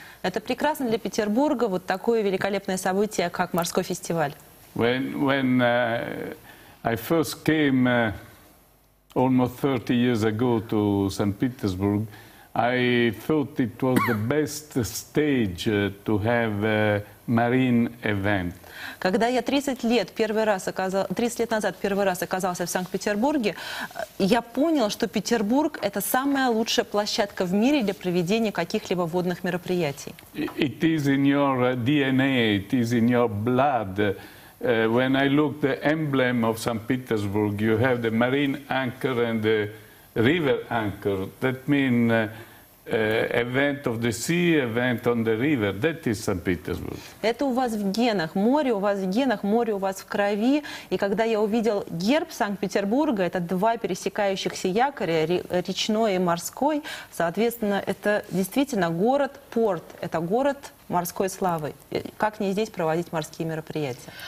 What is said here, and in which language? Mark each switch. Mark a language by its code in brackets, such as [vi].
[ru] Это прекрасно для Петербурга, вот такое великолепное событие, как морской фестиваль. [en] When I first came almost 30 years ago to St. Petersburg, I thought it was the best stage to have a marine event. [ru] Когда я 30 лет назад первый раз оказался в Санкт-Петербурге, я понял, что Петербург – это самая лучшая площадка в мире для проведения каких-либо водных мероприятий. [en] It is in your DNA, it is in your blood. When I look at the emblem of St. Petersburg, you have the marine anchor and the river anchor. That means event of the sea, event on the river. That is St. Petersburg. [ru] Это у вас в генах. Море у вас в генах, море у вас в крови. И когда я увидел герб Санкт-Петербурга, это два пересекающихся якоря, речной и морской, соответственно, это действительно город-порт, это город морской славы. Как не здесь проводить морские мероприятия?